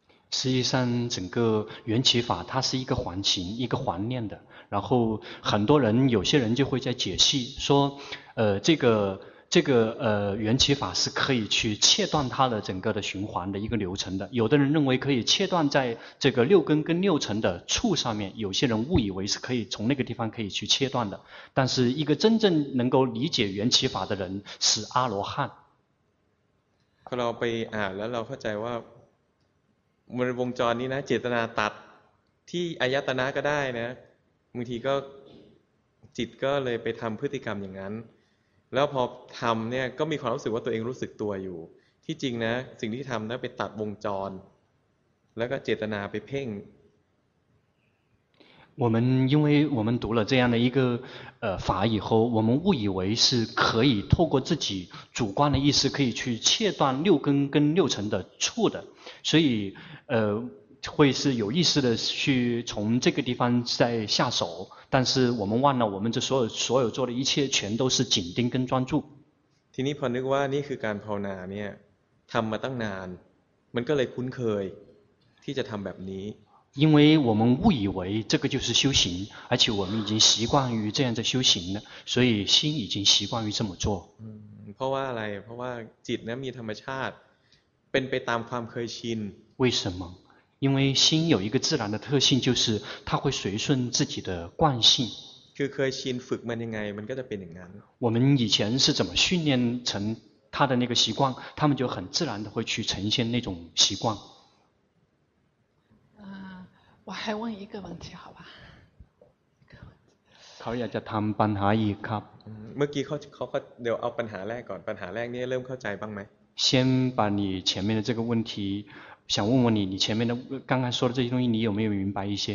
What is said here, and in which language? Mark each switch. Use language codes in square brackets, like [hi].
[zh] 实际上整个缘起法它是一个环形一个环念的然后很多人有些人就会在解析说这个缘起法是可以去切断它的整个的循环的一个流程的有的人认为可以切断在这个六根跟六尘的处上面有些人误以为是可以从那个地方可以去切断的但是一个真正能够理解缘起法的人是阿罗汉 [th] พอเราไปอ่านแล้วเราเข้าใจว่ามันวงจรนี้นะเจตนาตัดที่อายตนะก็ได้นะบางทีก็จิตก็เลยไปทำพฤติกรรมอย่างนั้นแล้วพอทำเนี่ยก็มีความรู้สึกว่าตัวเองรู้สึกตัวอยู่ที่จริงนะสิ่งที่ทำนั้นไปตัดวงจรแล้วก็เจตนาไปเพ่ง [zh] 我们因为我们读了这样的一个法以后，我们误以为是可以透过自己主观的意识可以去切断六根跟六尘的处的，所以会是有意识的去从这个地方再下手，但是我们忘了我们这所有做的一切全都是紧盯跟专注。 [th] ทีนี้พอนึกว่านี่คือการภาวนาเนี่ยทำมาตั้งนานมันก็เลยคุ้นเคยที่จะทำแบบนี้ [zh] 因为我们误以为这个就是修行，而且我们已经习惯于这样的修行了，所以心已经习惯于这么做。嗯， [th] เพราะว่าอะไร？ เพราะว่าจิตนั้นมีธรรมชาติเป็นไปตามความเคยชิน。 [zh] 为什么？因为心有一个自然的特性，就是它会随顺自己的惯性。 [th] คือเคยชินฝึกมันยังไงมันก็จะเป็นอย่างนั้น。 [zh] 我们以前是怎么训练成他的那个习惯，他们就很自然的会去呈现那种习惯。我还问一个问题，好吧？ [th] เขาอยากจะทำปัญหาอีกครับ เมื่อกี้เขาเดี๋ยวเอาปัญหาแรกก่อนปัญหาแรกนี่เริ่มเข้าใจบ้างไหม [zh] 先把你前面的这个问题想问问你你前面的刚刚说的这些东西你有没有明白一些